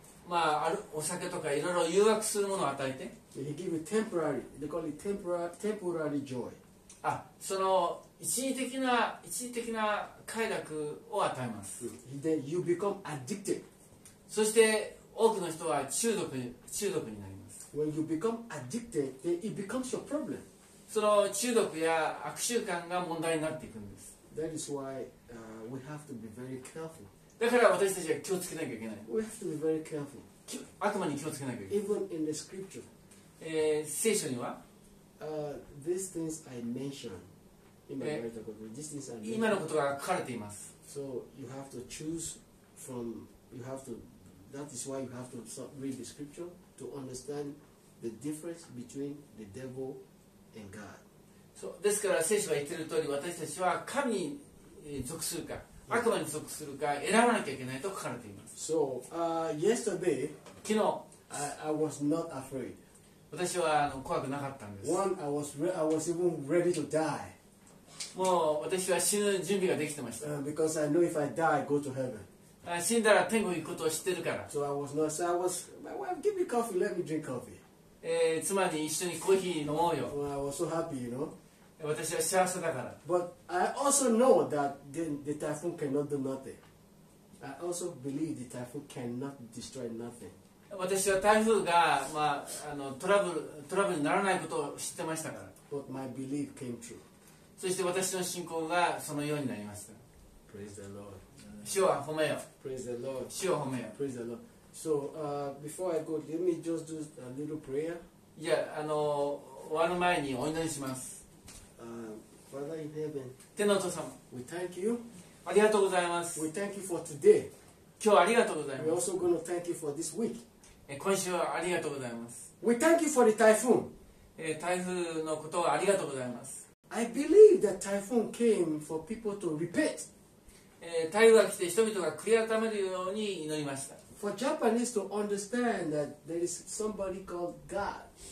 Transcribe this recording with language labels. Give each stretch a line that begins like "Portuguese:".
Japanese: まあ、お酒とかいろいろ誘惑するものを与えて。
English: He give you temporary, they call it temporary joy.
Japanese: その一時的な快楽を与えます。
English: Then you become addicted.
Japanese: そして多くの人は中毒になります。
English: When you become addicted, then it becomes your problem.
Japanese: その中毒や悪習慣が問題になっていくんです。
English: That is why, we have to be very careful
Japanese: だから私たちは気をつけなきゃいけない。
English: We have to be very careful.
Japanese: 悪魔に気をつけなきゃいけない。
English: Even in the scripture.
Japanese: 聖書には、
English: these things I mentioned.
Japanese: 今のことが書かれています。
English: So you have to choose from, you have to, that is why you have to read the scripture to understand the difference between the devil and God.
Japanese: So, ですから聖書が言っている通り、私たちは神に属するか。
English: Yeah.
Japanese: 悪魔に属するか選ばなきゃいけないと書かれています。
English: So, yesterday,
Japanese: 昨日、
English: I was not afraid.
Japanese: 私は怖くなかったんです。
English: I was even ready to die.
Japanese: もう私は死ぬ準備ができてました。
English: Because I knew if I die, go to heaven.
Japanese: 死んだら天国行くことを知ってるから。
English: So I was not. So I was. My wife, give me coffee. Let me drink coffee.
Japanese: 妻に一緒にコーヒー飲もうよ。
English: Well, I was so happy, you know.
Japanese: 私は幸せだから。
English: But I also know that the typhoon cannot do nothing. I also believe the typhoon cannot destroy nothing.
Japanese: 私は台風が、まあ、トラブルにならないことを知ってましたから。
English: But my belief came true.
Japanese: そして私の信仰がそのようになりました。
English: Praise the Lord.
Japanese: 主を褒めよ。
English: Praise the Lord.
Japanese: 主を褒めよ。
English: Praise the Lord. So, before I go, let me just do a little prayer.
Japanese: いや、終わる前にお祈りします。
English: Father in heaven,
Japanese: 天のお父様、
English: we thank you.
Japanese: ありがとうございます。
English: We thank you for today.
Japanese: 今日ありがとうございます。
English: We also going to thank you for this week.
Japanese: 今週はありがとうございます。
English: We thank you for the typhoon.
Japanese: 台風のことはありがとうございます。
English: I believe that typhoon came for people to repent.
Japanese: 台風が来て人々が悔い改めるように祈りました。
English: For Japanese to understand that there is somebody called God.